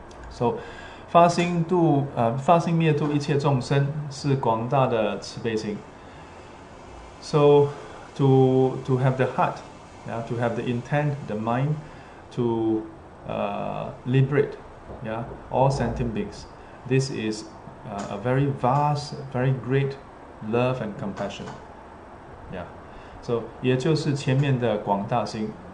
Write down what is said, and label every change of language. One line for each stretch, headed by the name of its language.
Chinese: So 发心灭度一切众生是广大的慈悲心.
English: So to have the heart, to have the intent, the mind to liberate, all sentient beings. This is a very vast, very great love and compassion.
Chinese: So 也就是前面的广大心.